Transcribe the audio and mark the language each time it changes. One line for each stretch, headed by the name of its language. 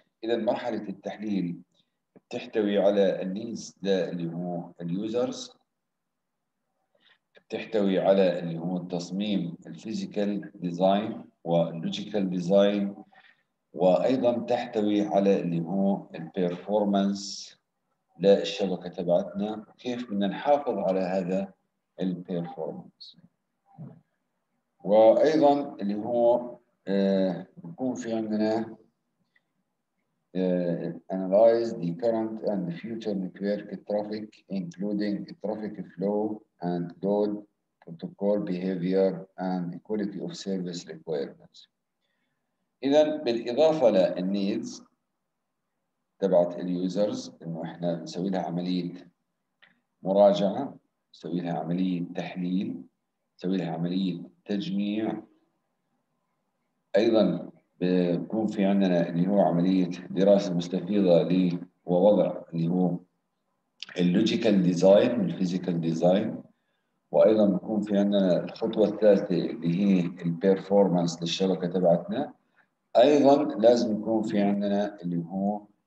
Arabic: اذا مرحله التحليل بتحتوي على النيز اللي هو اليوزرز، بتحتوي على اللي هو التصميم الفيزيكال ديزاين واللوجيكال ديزاين، وايضا تحتوي على اللي هو البيرفورمانس للشبكه تبعتنا، كيف بدنا نحافظ على هذا البيرفورمانس. وايضا اللي هو بكون في عندنا
English: analyze the current and the future network traffic including traffic flow and load protocol behavior and quality of service requirements.
Arabic: اذا بالاضافه للنيدز تبعت اليوزرز، انه احنا نسوي لها عمليه مراجعه، نسوي لها عمليه تحليل، نسوي لها عمليه تجميع، ايضا بيكون في عندنا اللي هو عمليه دراسه مستفيضه ووضع اللي هو اللوجيكال ديزاين والفيزيكال ديزاين، وايضا بيكون في عندنا الخطوه الثالثه اللي هي البيرفورمانس للشبكه تبعتنا، ايضا لازم يكون في عندنا اللي هو